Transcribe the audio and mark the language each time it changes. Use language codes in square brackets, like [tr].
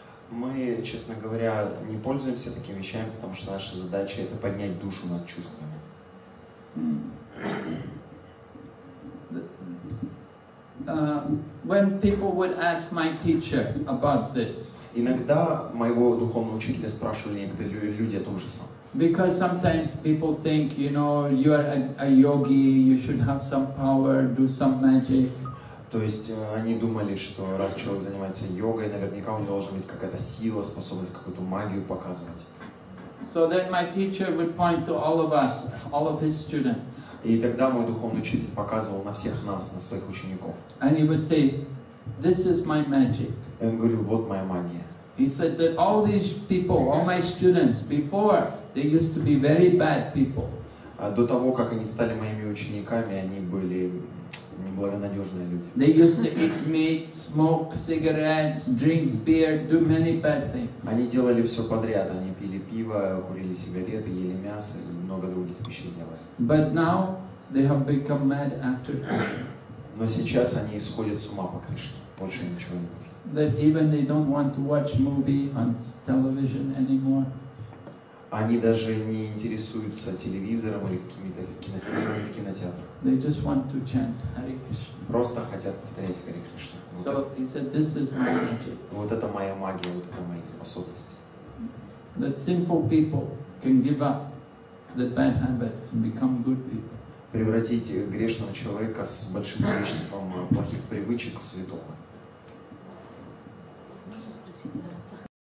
[ru] Мы, честно говоря, не пользуемся такими вещами, потому что наша задача это поднять душу над чувствами. [en] When people would ask my teacher about this. [ru] Иногда моего духовного учителя спрашивали некоторые люди о том же самом. [en] Because sometimes people think, you know, you are a yogi, you should have some power, do some magic. [ru] То есть они думали, что раз человек занимается йогой, наверняка у него должна быть какая-то сила, способность какую-то магию показывать. [en] So then my teacher would point to all of us, all of his students. [ru] И тогда мой духовный учитель показывал на всех нас, на своих учеников. [en] And he would say, this is my magic. [ru] И он говорил, вот моя магия. [en] He said that all these people, all my students, before they used to be very bad people. [ru] До того как они стали моими учениками, они были неблагонадежные люди. [en] They used to eat meat, smoke cigarettes, drink beer, do many bad things. [ru] Они делали все подряд. Они пили пиво, курили сигареты, ели мясо, и много других вещей делали. [en] But now they have become mad after Krishna. [ru] Но сейчас они исходят с ума по Кришне. Больше ничего не нужно. [en] That even they don't want to watch movie on television anymore. [ru] Они даже не интересуются телевизором или какими-то кинофильмами в кинотеатрах. [en] They just want to chant Hare Krishna. [ru] Просто хотят повторять Харе Кришна. [en] So he said, this is my magic. [ru] Вот это моя магия, вот это мои способности. [en] That sinful people can give up the bad habit and become good people. [ru] Превратить грешного человека с большим количеством плохих привычек в святого.